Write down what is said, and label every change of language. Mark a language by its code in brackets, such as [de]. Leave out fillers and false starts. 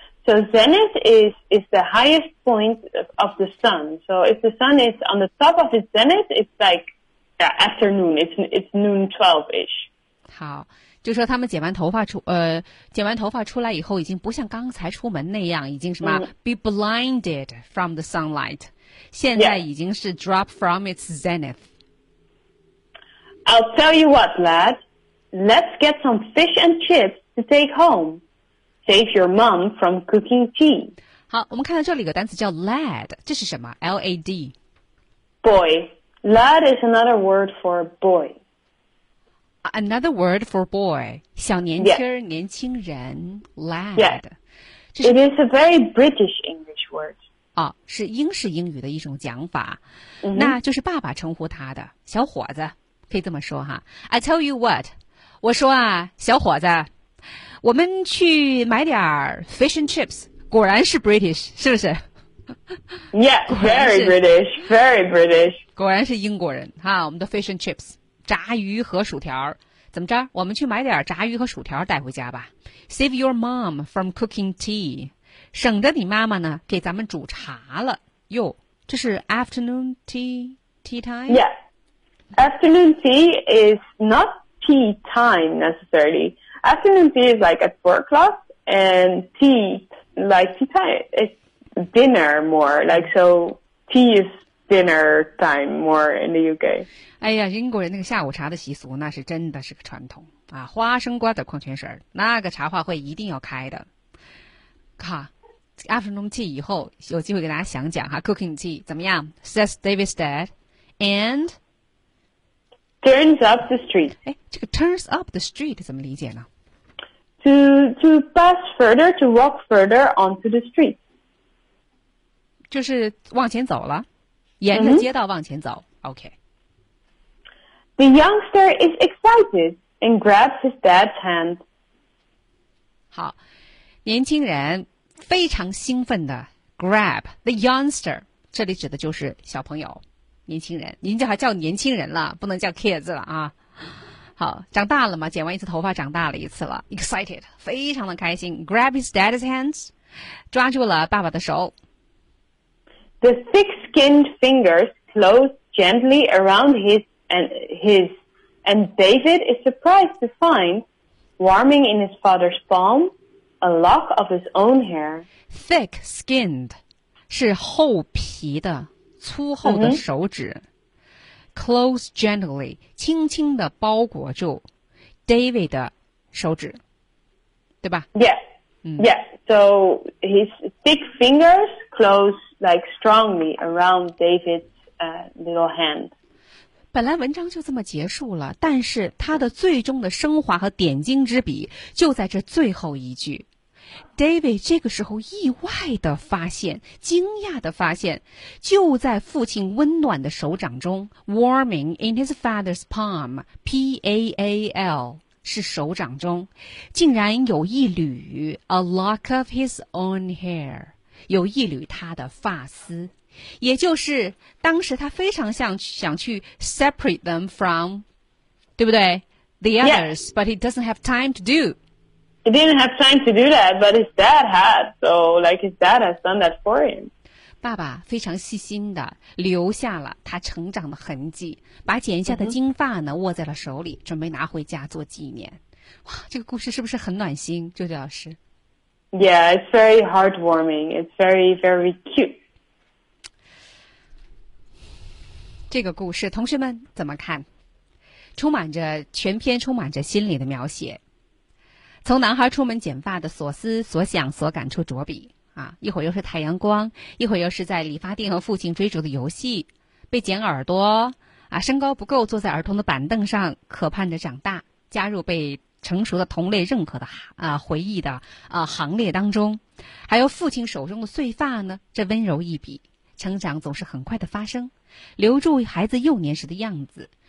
[en] So zenith is the highest point of the sun. So if the sun is on the top of its zenith, it's like afternoon. It's noon 12-ish. [zh] 好，就说他们剪完头发出剪完头发出来以后，已经不像刚才出门那样，已经什么、 [en] be blinded from the sunlight. [zh] 现在已经是 [en] drop from its zenith. I'll tell you what, lad. Let's get some fish and chips to take home. Save your mom from cooking tea. [zh] 好，我们看到这里有个单词叫 lad， 这是什么 ？Lad. [en] Boy. Lad is another word for boy. Another word for boy. [zh] 小年轻儿、年轻人 lad. [en] Yes. It is a very British English word. [zh] 哦，是英式英语的一种讲法。 Mm-hmm. 那就是爸爸称呼他的小伙子，可以这么说哈。 [en] I tell you what. [zh] 我说啊，小伙子。我们去买点 fish and chips， 果然是 British， 是不是 [en] ？Yeah， very British， very British。 [zh] 果然是英国人哈，我们的 fish and chips， 炸鱼和薯条，怎么着？我们去买点炸鱼和薯条带回家吧。 [en] Save your mom from cooking tea， [zh] 省着你妈妈呢，给咱们煮茶了。哟，这是 [en] afternoon tea time？ Yeah， afternoon tea is not tea time necessarily。 Afternoon tea is like at 4 o'clock, and tea time is dinner more. Like so, tea is dinner time more in the UK. [zh] 哎呀，英国人那个下午茶的习俗，那是真的是个传统啊！花生瓜子矿泉水，那个茶话会一定要开的。哈，二分钟记以后有机会给大家详讲哈 ， [en] cooking tea [zh] 怎么样 ？ [en] Says David's dad, and turns up the street. [zh] 哎，这个 [en] turns up the street [zh] 怎么理解呢 [en] ？To pass further, to walk further onto the street. [zh] 就是往前走了，沿着街道往前走。 Mm-hmm. [en] OK. The youngster is excited and grabs his dad's hand. [zh] 好，年轻人。非常兴奋的 [en] grab the youngster， [zh] 这里指的就是小朋友，年轻人，您这还叫年轻人了，不能叫 kids 了啊。好，长大了嘛，剪完一次头发，长大了一次了， excited， 非常的开心， [en] grab his dad's hands， [zh] 抓住了爸爸的手。 [en] The thick-skinned fingers close gently around his, and David is surprised to find warming in his father's palm. A lock of his own hair. Thick skinned [zh] 是厚皮的粗厚的手指、mm-hmm. [en] Close gently [zh] 轻轻地包裹住 David 的手指对吧 [en] Yeah、mm. Yeah. So his thick fingers close like strongly around David's、little hand. [zh] 本来文章就这么结束了但是它的最终的升华和点睛之笔就在这最后一句 David 这个时候意外的发现，惊讶的发现，就在父亲温暖的手掌中 ， [en] warming in his father's palm， [zh] P-A-A-L 是手掌中，竟然有一缕 [en] a lock of his own hair， [zh] 有一缕他的发丝，也就是当时他非常想去 [en] separate them from， [zh] 对不对 ？ [en] The others，、 yeah. but he doesn't have time to do。 He didn't have time to do that, but his dad had. So, like, his dad has done that for him. [zh] 爸爸非常细心的留下了他成长的痕迹，把剪下的金发呢、mm-hmm. 握在了手里，准备拿回家做纪念。哇，这个故事是不是很暖心，舅舅老师 [en] ？Yeah, it's very heartwarming. It's very, very cute. [zh] 这个故事，同学们怎么看？充满着全篇充满着心理的描写。从男孩出门剪发的所思所想所感触着笔啊，一会儿又是太阳光，一会儿又是在理发店和父亲追逐的游戏，被剪耳朵啊，身高不够坐在儿童的板凳上，渴盼着长大，加入被成熟的同类认可的啊回忆的啊行列当中，还有父亲手中的碎发呢，这温柔一笔，成长总是很快的发生，留住孩子幼年时的样子。